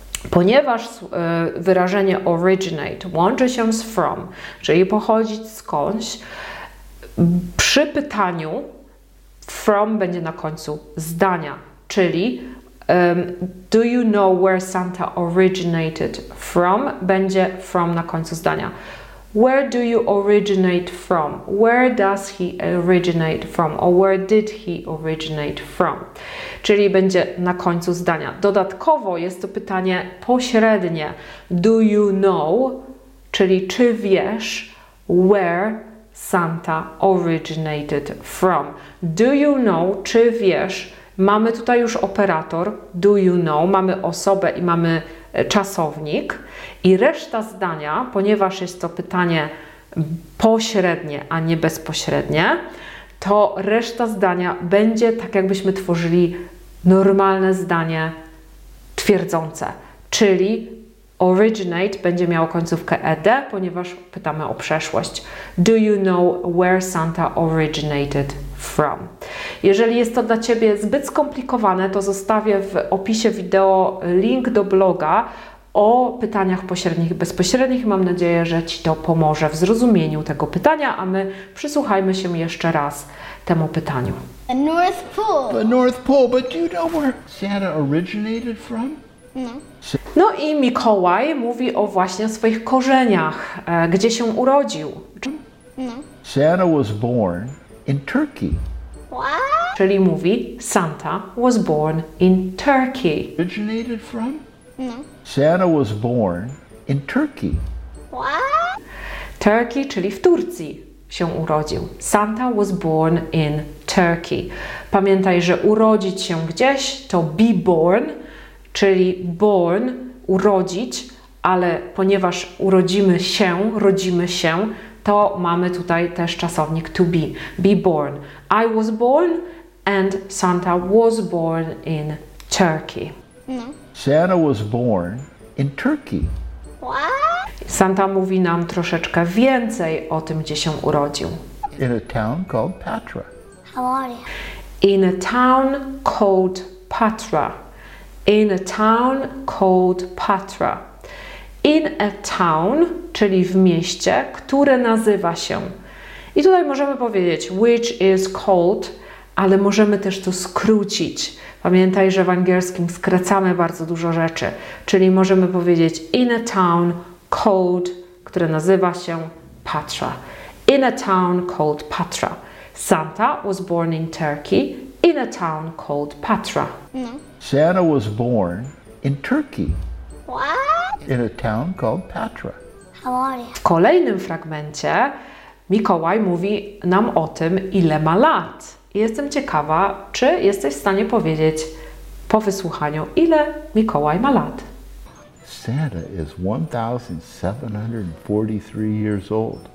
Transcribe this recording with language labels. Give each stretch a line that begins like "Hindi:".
Polish: Ponieważ wyrażenie originate łączy się z from, czyli pochodzić skądś, przy pytaniu from będzie na końcu zdania, czyli
English: do you know where Santa originated from?
Polish: Będzie from na końcu zdania.
English: Where do you originate from? Where does he originate from? Or where did he originate from?
Polish: Czyli będzie na końcu zdania. Dodatkowo jest to pytanie pośrednie.
English: Do you know,
Polish: czyli czy wiesz,
English: where Santa originated from? Do you know,
Polish: czy wiesz, mamy tutaj już operator,
English: do you know,
Polish: mamy osobę i mamy czasownik. I reszta zdania, ponieważ jest to pytanie pośrednie, a nie bezpośrednie, to reszta zdania będzie tak, jakbyśmy tworzyli normalne zdanie twierdzące. Czyli originate będzie miało końcówkę ed, ponieważ pytamy o przeszłość.
English: Do you know where Santa originated from?
Polish: Jeżeli jest to dla Ciebie zbyt skomplikowane, to zostawię w opisie wideo link do bloga o pytaniach pośrednich i bezpośrednich. Mam nadzieję, że Ci to pomoże w zrozumieniu tego pytania, a my przysłuchajmy się jeszcze raz temu pytaniu.
English: The North Pole. The North Pole, but do you know where Santa originated from? No.
Polish: No i Mikołaj mówi o właśnie swoich korzeniach, gdzie się urodził.
English: No. Santa was born in Turkey. What?
Polish: Czyli mówi
English: Santa was born in Turkey. Originated from? No. Santa was born in Turkey. What?
Polish: Turkey, czyli w Turcji się urodził.
English: Santa was born in Turkey.
Polish: Pamiętaj, że urodzić się gdzieś to be born, czyli born, urodzić, ale ponieważ rodzimy się, to mamy tutaj też czasownik to be born.
English: I was born and Santa was born in Turkey. No. Santa was born in Turkey. What?
Polish: Santa mówi nam troszeczkę więcej o tym, gdzie się urodził.
English: In a town called Patra. How are you? In a town called Patra. In a town called Patra.
Polish: In a town, czyli w mieście, które nazywa się. I tutaj możemy powiedzieć,
English: which is called,
Polish: ale możemy też to skrócić. Pamiętaj, że w angielskim skracamy bardzo dużo rzeczy, czyli możemy powiedzieć
English: in a town called,
Polish: które nazywa się Patra.
English: In a town called Patra. Santa was born in Turkey in a town called Patra. Santa was born in Turkey. What? In a town called Patra. How are you?
Polish: W kolejnym fragmencie Mikołaj mówi nam o tym, ile ma lat. Jestem ciekawa, czy jesteś w stanie powiedzieć po wysłuchaniu, ile Mikołaj ma lat.
English: Santa is 1743 years old.